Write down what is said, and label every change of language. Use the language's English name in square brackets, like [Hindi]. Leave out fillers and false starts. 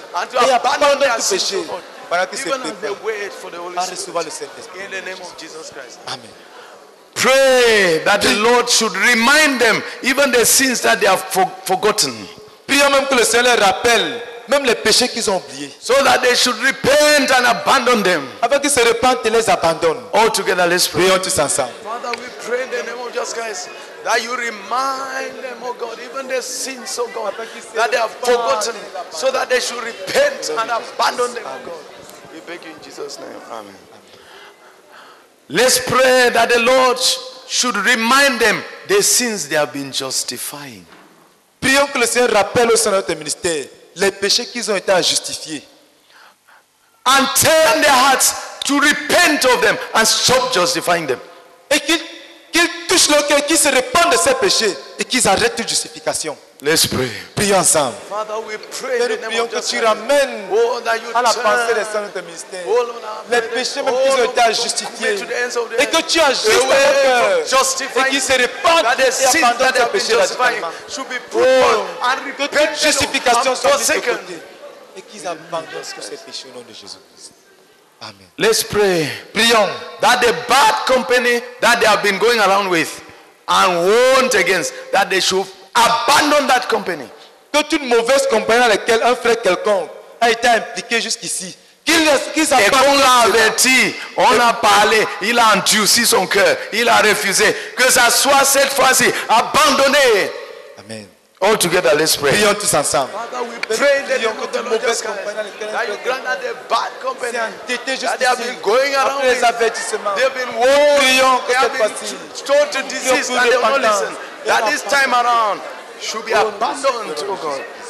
[English] And to abandon [French] tout péché. [English] Even as they wait for the Holy Spirit, in the name of Jesus Christ. Amen. Pray that the Lord should remind them even the sins that they have forgotten. [French] Prions même que le Seigneur rappelle même les péchés qu'ils ont oubliés. [English] So that they should repent and abandon them. [French] Afin qu'ils se repentent et les abandonnent. [English] All together, let's pray. [French] Prions tous ensemble. [English] Father, we pray in the name of Jesus Christ that you remind them, oh God, even their sins, oh God, that they have forgotten, so that they should repent and abandon them, oh God. We beg you in Jesus' name. Amen. Let's pray that the Lord should remind them their sins they have been justifying. [French] Prions que le Seigneur rappelle au sein de notre ministère les péchés qu'ils ont été à justifier. [English] And turn their hearts to repent of them and stop justifying them. [French] Et qu'ils touchent leur cœur, qu'ils se repentent de ces péchés et qu'ils arrêtent toute justification. [English] Let's pray. [French] Prions ensemble. [English] Father, we pray. [French] Nous prions que tu ramènes à la pensée des saints de ton ministère les péchés même qu'ils ont été justifiés et que tu ajustes leur cœur et qu'ils se répandent et abandonnent ces péchés radicalement. Que toute justification soit mise de côté et qu'ils abandonnent tous ces péchés au nom de Jésus Christ. Amen. [English] Let's pray. [French] Prions [English] that the bad company that they have been going around with and warned against, that they should abandon that company. [French] Que toute mauvaise compagnie dans laquelle un frère quelconque a été impliqué jusqu'ici, qu'il et qu'on l'a averti, on a parlé, il a endurci son cœur, il a refusé, que ça soit cette fois-ci abandonné. Amen. [English] All together, let's pray. [French] Prions tous ensemble. [English] Father, we pray in the name of the Lord Jesus Christ that you grant that the bad company that they have been going around with, they have been warned, they have been told to desist and they will not listen, that this time around should be abandoned, oh God.